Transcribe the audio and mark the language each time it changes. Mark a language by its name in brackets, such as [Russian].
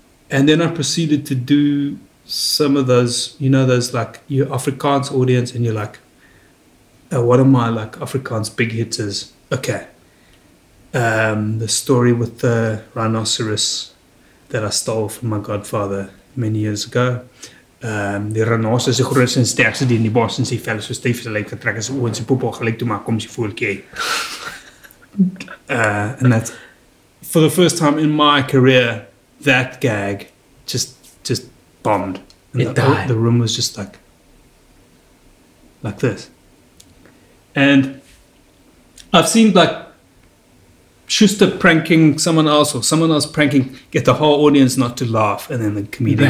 [English] And then I proceeded to do some of those, you know, those like your Afrikaans audience and you're like, what are my like Afrikaans big hitters? Okay. The story with the rhinoceros that I stole from my godfather many years ago. [Afrikaans] Die renosse is die grootste en sterkste die in die bos en sy vel so styf gelyk getrek as oor sy poep gelyk toe maak kom sy voeltjie. [English] And that's for the first time in my career that gag just bombed. And the room was just like this. And I've seen like Schuster pranking someone else or someone else pranking get the whole audience not to laugh and then the comedian